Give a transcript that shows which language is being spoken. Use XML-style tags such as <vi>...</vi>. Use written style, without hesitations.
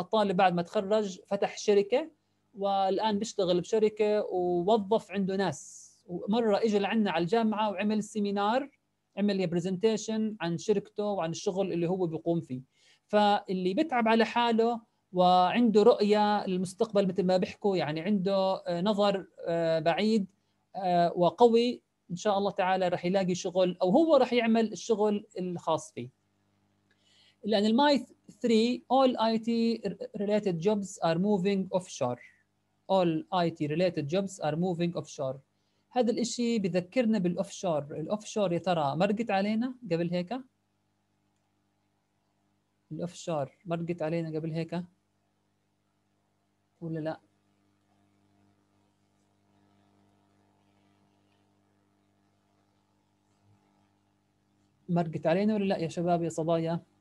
<ar>الطالب بعد ما تخرج فتح شركة والآن بيشتغل بشركة ووظف عنده ناس، ومرة إجى لعنا على الجامعة وعمل سيمينار، عمل برزنتيشن عن شركته وعن الشغل اللي هو بيقوم فيه. فاللي بتعب على حاله وعنده رؤية للمستقبل مثل ما بيحكوا، يعني عنده نظر بعيد وقوي، إن شاء الله تعالى رح يلاقي شغل أو هو رح يعمل الشغل الخاص فيه. لأن الماي</ar> <en>3 all IT related jobs are moving offshore. All IT related jobs are moving offshore.</en> <ar>هذا الإشي بذكرنا بالأوفشور. الأوفشور يا ترى مرقت علينا قبل هيك؟ الأوفشور مرقت علينا قبل هيك ولا لا؟ مرقت علينا ولا لا يا شباب يا صبايا؟</ar>